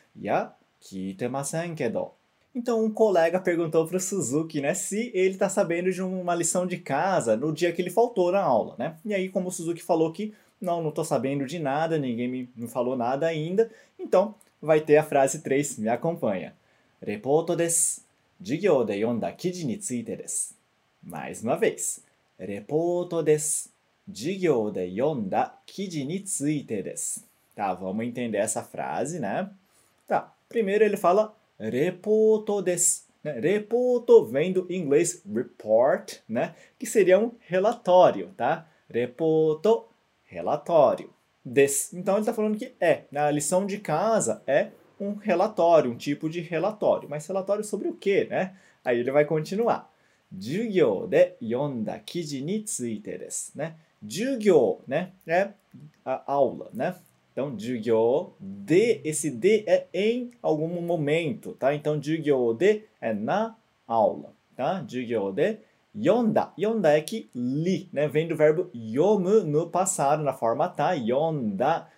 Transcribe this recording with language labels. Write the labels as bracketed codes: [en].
[ja] Ya kitemasen kedo. [pt] Então, um colega perguntou pro Suzuki, né, se ele tá sabendo de uma lição de casa no dia que ele faltou na aula, né? E aí, como o Suzuki falou que não tô sabendo de nada, ninguém me falou nada ainda, então vai ter a frase 3, me acompanha. [ja] Repoto desu. 授業で読んだ記事についてです。 [pt] Mais uma vez. [ja] レポートです. 授業で読んだ記事についてです。 [pt] Tá, vamos entender essa frase, né? Tá, primeiro ele fala [ja] レポートです. [pt] Né? レポート vem do inglês report, né? Que seria um relatório, tá? レポート, relatório. [ja] です. [pt] Então ele tá falando que é. Na lição de casa é um relatório, um tipo de relatório. Mas relatório sobre o quê, né? Aí ele vai continuar. [ja] 授業で読んだ記事についてです. [pt] 授業, né? É a aula, né? Então, 授業, de, esse de é em algum momento, tá? Então, 授業 de é na aula, tá? [ja] 授業で読んだ. [pt] 読んだ é que li, né? Vem do verbo 読む no passado, na forma tá, 読んだ.